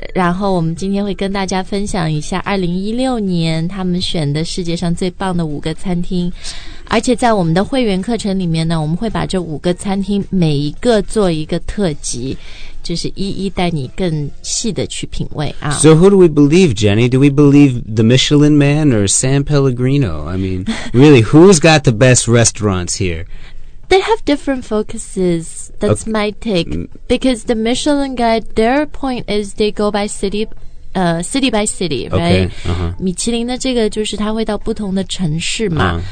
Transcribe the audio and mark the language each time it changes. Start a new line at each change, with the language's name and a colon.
Chinese: 然后我们今天会跟大家分享一下2016年他们选的世界上最棒的五个餐厅，而且在我们的会员课程里面呢，我们会把这五个餐厅每一个做一个特辑，就是一一带你更细的去品味啊。
English: So who do we believe, Jenny? Do we believe the Michelin Man or San Pellegrino? I mean, really, who's got the best restaurants here? They have different focuses. That's、okay. my take. Because the Michelin Guide, their point is they go by city,、city by city, right? Okay,、uh-huh.
Chinese: 米其林的这个就是它会到不同的城市嘛。